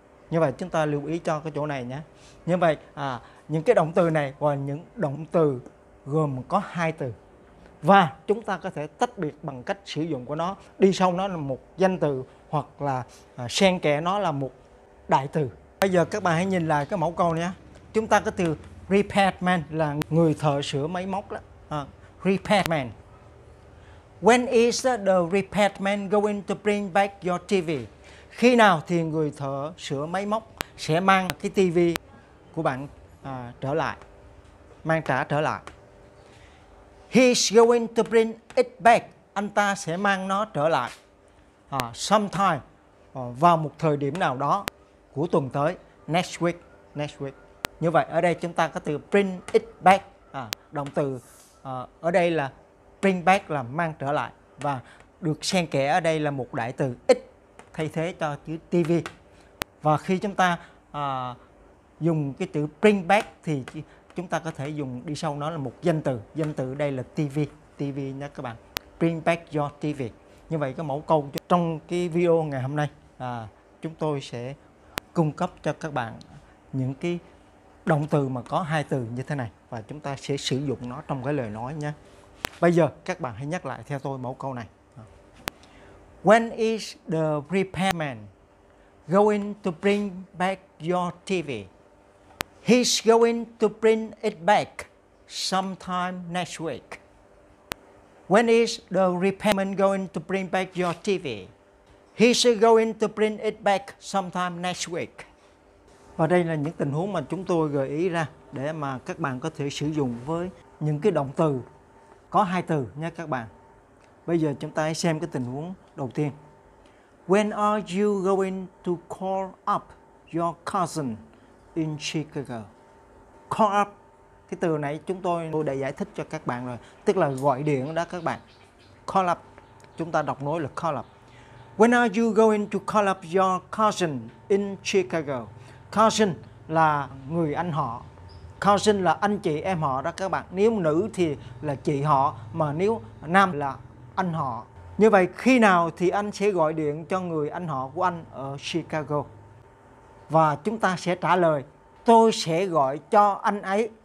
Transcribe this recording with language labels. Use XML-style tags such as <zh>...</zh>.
<vi>Như vậy chúng ta lưu ý cho cái chỗ này nhé. Như vậy những cái động từ này và những động từ gồm có hai từ, và chúng ta có thể tách biệt bằng cách sử dụng của nó, đi sau nó là một danh từ hoặc là xen kẽ nó là một đại từ. Bây giờ các bạn hãy nhìn lại cái mẫu câu nhé. Chúng ta có từ repairman là người thợ sửa máy móc đó.</vi> <en>Repairman. When is the repairman going to bring back your TV?</en> <vi>Khi nào thì người thợ sửa máy móc sẽ mang cái TV của bạn trở lại, mang trả trở lại?</vi> <en>He's going to bring it back.</en> <vi>Anh ta sẽ mang nó trở lại.</vi> <en>Sometime,</en> <vi>vào một thời điểm nào đó của tuần tới,</vi> <en>next week.</en> <vi>Như vậy ở đây chúng ta có từ bring it back, động từ ở đây là bring back là mang trở lại, và được xen kẽ ở đây là một đại từ it thay thế cho chữ TV. Và khi chúng ta dùng cái chữ bring back thì chúng ta có thể dùng đi sau nó là một danh từ, đây là TV nha các bạn,</vi> <en>bring back your TV.</en> <vi>Như vậy cái mẫu câu trong cái video ngày hôm nay, chúng tôi sẽ cung cấp cho các bạn những cái động từ mà có hai từ như thế này, và chúng ta sẽ sử dụng nó trong cái lời nói nhé. Bây giờ các bạn hãy nhắc lại theo tôi mẫu câu này.</vi> <en>When is the repairman going to bring back your TV? He's going to bring it back sometime next week. When is the repairman going to bring back your TV? He's going to bring it back sometime next week.</en> <vi>Và đây là những tình huống mà chúng tôi gợi ý ra để mà các bạn có thể sử dụng với những cái động từ có hai từ nha các bạn. Bây giờ chúng ta hãy xem cái tình huống đầu tiên.</vi> <en>When are you going to call up your cousin in Chicago?</en> <vi>Call up, cái từ này tôi đã giải thích cho các bạn rồi, tức là gọi điện đó các bạn. Call up, chúng ta đọc nối là call up.</vi> <en>When are you going to call up your cousin in Chicago?</en> <vi>Cousin là người anh họ. Cousin là anh chị em họ đó các bạn. Nếu nữ thì là chị họ, mà nếu nam là anh họ. Như vậy khi nào thì anh sẽ gọi điện cho người anh họ của anh ở Chicago? Và chúng ta sẽ trả lời: tôi sẽ gọi cho anh ấy.</vi>